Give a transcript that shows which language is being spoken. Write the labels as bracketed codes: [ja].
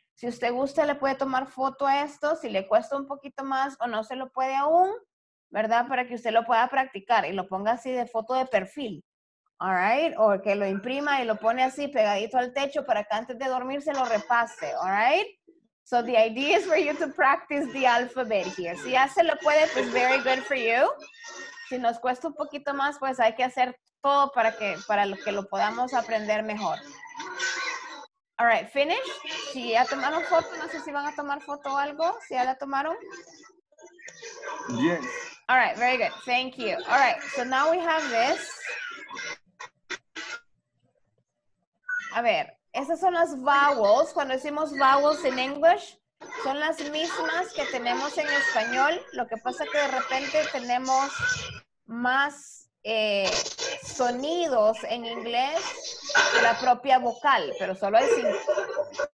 [es] Si usted gusta, le puede tomar foto a esto, si le cuesta un poquito más o no se lo puede aún, ¿verdad? Para que usted lo pueda practicar y lo ponga así de foto de perfil, [en] all right? [es] O que lo imprima y lo pone así pegadito al techo para que antes de dormir se lo repase, [en] all right? So the idea is for you to practice the alphabet here. [es] Si ya se lo puede, pues [en] very good for you. [es] Si nos cuesta un poquito más, pues hay que hacer todo para que lo podamos aprender mejor. [en] All right, finish. [es] Si ya tomaron foto, no sé si van a tomar foto o algo, si ya la tomaron. [en] Yes. All right, very good. Thank you. All right, so now we have this. [es] A ver, Esas son las vowels. Cuando decimos [en] vowels in English, [es] son las mismas que tenemos en español. Lo que pasa es que de repente tenemos más sonidos en inglés que la propia vocal, pero solo hay cinco.